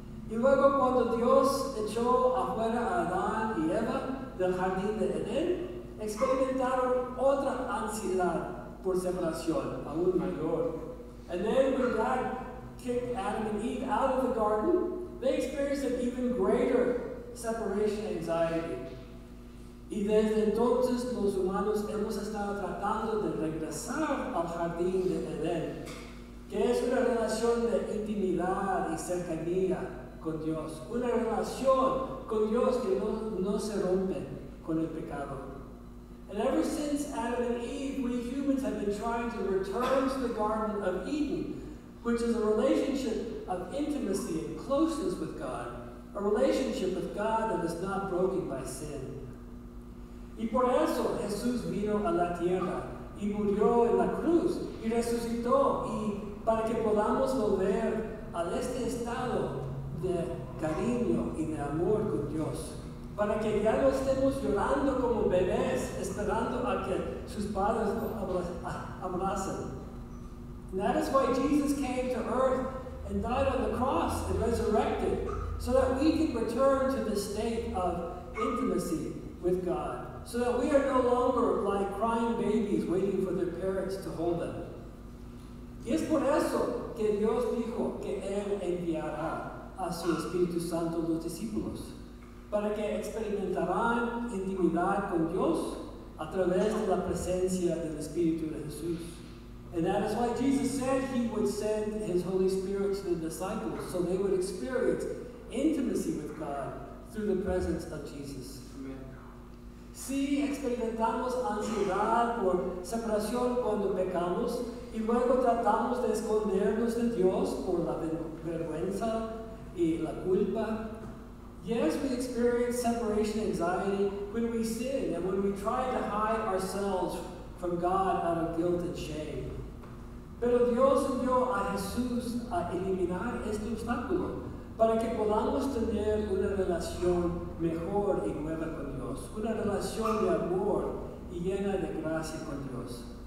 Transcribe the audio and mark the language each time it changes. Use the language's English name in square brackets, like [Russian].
[Spanish] Y luego cuando Dios echó afuera a Adán y Eva del jardín de Edén, experimentaron otra ansiedad por separación, aún mayor. [English] And then with that, kicked Adam and Eve out of the garden, they experienced an even greater separation anxiety. [Spanish] Y desde entonces, los humanos hemos estado tratando de regresar al jardín de Edén, que es una relación de intimidad y cercanía con Dios. Una relación con Dios que no se rompe con el pecado. [English] And ever since Adam and Eve, we humans have been trying to return to the Garden of Eden, which is a relationship of intimacy and closeness with God, a relationship with God that is not broken by sin. [Spanish] Y por eso Jesús vino a la tierra y murió en la cruz y resucitó y para que podamos volver a este estado de cariño y de amor con Dios. Para que ya no estemos llorando como bebés esperando a que sus padres lo abracen. [English] And that is why Jesus came to earth and died on the cross and resurrected, so that we can return to the state of intimacy with God, so that we are no longer like crying babies waiting for their parents to hold them. [Spanish] Y es por eso que Dios dijo que Él enviará a su Espíritu Santo los discípulos, para que experimentarán intimidad con Dios a través de la presencia del Espíritu de Jesús. [English] And that is why Jesus said he would send his Holy Spirit to the disciples, so they would experience intimacy with God through the presence of Jesus. [Spanish] Sí, experimentamos ansiedad por separación cuando pecamos, y luego tratamos de escondernos de Dios por la vergüenza y la culpa. [English] Yes, we experience separation anxiety when we sin and when we try to hide ourselves from God out of guilt and shame. [Spanish] Pero Dios envió a Jesús a eliminar este obstáculo para que podamos tener una relación mejor y nueva con Dios, una relación de amor y llena de gracia con Dios.